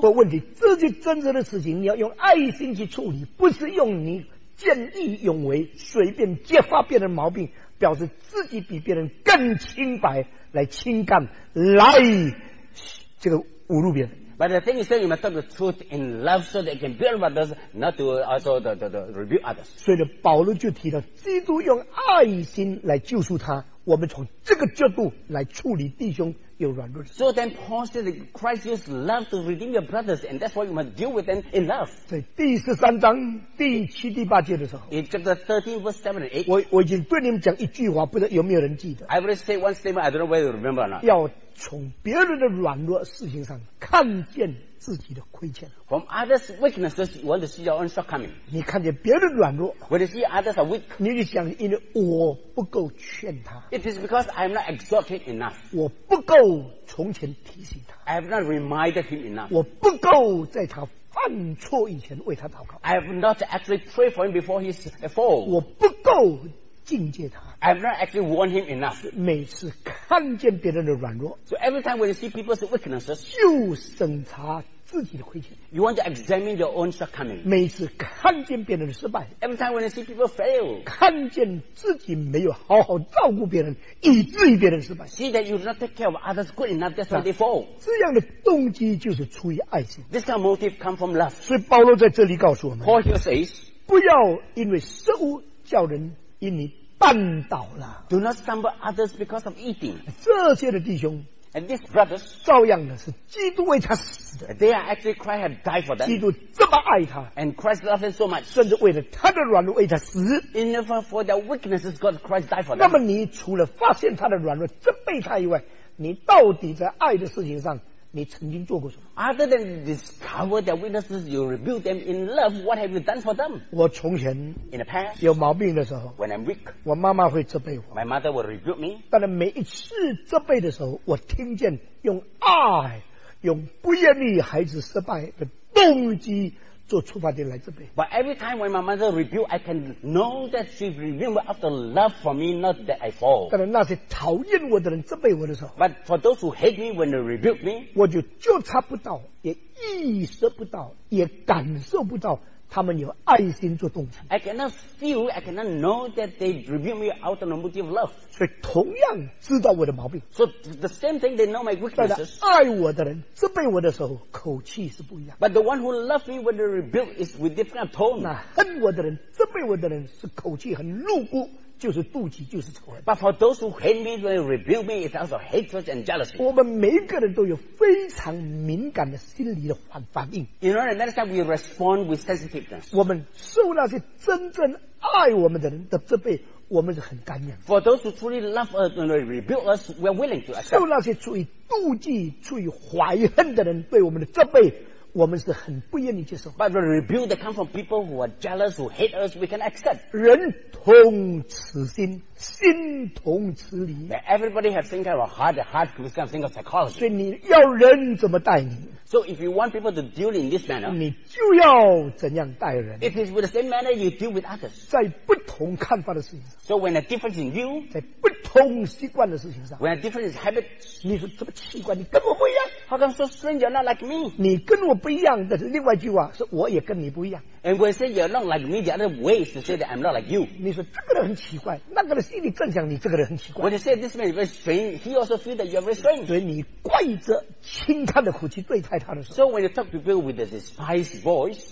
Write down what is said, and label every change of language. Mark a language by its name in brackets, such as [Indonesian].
[Chinese] 不过问题，这些真实的事情你要用爱心去处理，不是用你见义勇为、随便揭发别人毛病，表示自己比别人更清白来清干，来这个侮辱别人。 [English] But the thing is that you must talk the truth in love so they can build others, not to also the rebuke others. [Chinese] 所以保罗就提到基督用爱心来救赎他，我们从这个角度来处理弟兄有软弱的。 [English] So then Paul said that Christ used love to redeem your brothers, and that's why you must deal with them in love. [Chinese] 在第十三章第七第八节的时候 [English] ，In chapter 13, verse 7 and 8, [Chinese] 我已经对你们讲一句话，不知道有没有人记得 [English] ？I will say one statement. I don't know whether you remember or not. [Chinese] 要从别人的软弱事情上看见自己的亏欠。 [English] From others' weaknesses, you want to see your own shortcoming. [Chinese] 你看见别人软弱 [English] ，When you see others are weak, [Chinese] 你就想因为我不够劝他。 [English] It is because I'm not exhorting enough. [Chinese] 我不够从前提醒他。 [English] I have not reminded him enough. [Chinese] 我不够在他犯错以前为他祷告。 [English] I have not actually prayed for him before his fall. [Chinese] 我不够警戒他。 [English] I've not actually warned him enough. [Chinese] 每次看见别人的软弱 [English] ，So every time when you see people's weaknesses, [Chinese] 就审查自己的亏欠。 [English] You want to examine your own shortcoming. [Chinese] 每次看见别人的失败 [English] ，Every time when you see people fail, [Chinese] 看见自己没有好好照顾别人，以至于别人失败。 [English] See that you do not take care of others good enough, that's why they fall. [Chinese] 这样的动机就是出于爱心。 [English] This kind of motive comes from love. [Chinese] 所以保罗在这里告诉我们 [English] ，Paul here says, [Chinese] 不要因为食物叫人因你。绊倒了 [English] Do not stumble others because of eating. [Chinese] 这些的弟兄 [English] And these brothers [Chinese] 照样的是基督为他死的 [English] They are actually Christ have died for them. [Chinese] 基督这么爱他 [English] And Christ loves them so much. [Chinese] 甚至为了他的软弱为他死 [English] In order for their weaknesses God Christ died for them. [Chinese] 那么你除了发现他的软弱责备他以外你到底在爱的事情上你曾经做过什么 [English] Other than discover their weaknesses, you rebuild them in love. What have you done for them? [Chinese] 我从前 [English] in the past, [Chinese] 有毛病的时候 [English] when I'm weak, [Chinese] 我妈妈会责备我 [English] my mother will rebuke me. [Chinese] 但是每一次责备的时候我听见用爱用不愿意孩子失败的动机做出发点来责备 [English] But every time when my mother rebuke, I can know that she remembers after love for me, not that I fall. [Chinese] 但是那些讨厌我的人责备我的时候 [English] But for those who hate me when they rebuke me, [Chinese] 我就觉察不到，也意识不到，也感受不到他们有爱心做动机。 [English] I cannot feel, I cannot know that they rebuke me out of the motive of love. [Chinese] 所以同样知道我的毛病。 [English] So the same thing, they know my weaknesses. [Chinese] 但是爱我的人责备我的时候口气是不一样。 [English] But the one who loves me when they rebuke is with different tone. [Chinese] 那恨我的人责备我的人是口气很露骨就是妒忌就是仇恨。 [English] But for those who hate me when they rebuke me, it's also hatred and jealousy. [Chinese] 我们每一个人都有非常敏感的心理的反应。 [English] In order that is how we respond with sensitiveness. [Chinese] 我们受那些真正爱我们的人的责备，我们是很甘愿。 [English] For those who truly love us and rebuke us, we are willing to accept. [Chinese] 受那些出于妒忌、出于怀恨的人对我们的责备。我们是很不愿意接受 [English] But the rebuke that comes from people who are jealous, who hate us, we can accept. [Chinese] 人同此心，心同此理。 [English] That everybody has some kind of heart, the heart has some kind of psychology. [Chinese] 所以你要人怎么待你 [English] So if you want people to deal in this manner, [Chinese] 你就要怎样待人 [English] It is with the same manner you deal with others. [Chinese] 在不同看法的事情上 [English] So when a difference in view, [Chinese] 在不同习惯的事情上 [English] When a difference in habits, [Chinese] 你说这么奇怪，你跟我不一样。他跟说 [English] ，Stranger, not like me。 [Chinese] 你跟我不一样，但是另外一句话是我也跟你不一样。 [English] And when say you're not like me, the other way is to say that I'm not like you。 [Chinese] 你说这个人很奇怪，那个人心里更想你这个人很奇怪。 [English] When you say this man is very strange, he also feels that you're very strange。 [Chinese] 所以你怪着轻叹的口气对待他的时候 [English] ，So when you talk to people with a despised voice，